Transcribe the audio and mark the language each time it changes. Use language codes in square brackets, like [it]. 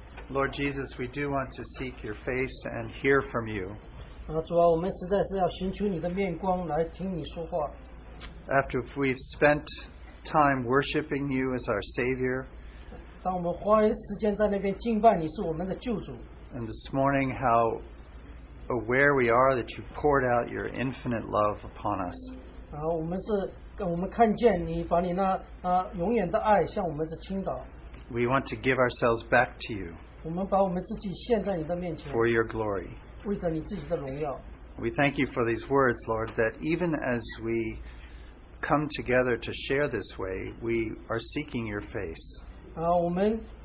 [en] Lord Jesus, we do want to seek your face and hear from you. [zh] 主啊，我们实在是要寻求你的面光，来听你说话。 [en] After we've spent time worshiping you as our Savior, [zh] 当我们花时间在那边敬拜你是我们的救主。 [en] And this morning, how aware we are that you poured out your infinite love upon us. [zh] 我们看见你把你那永远的爱向我们倾倒。 [en] We want to give ourselves back to you for your glory. We thank you for these words, Lord, that even as we come together to share this way, we are seeking your face.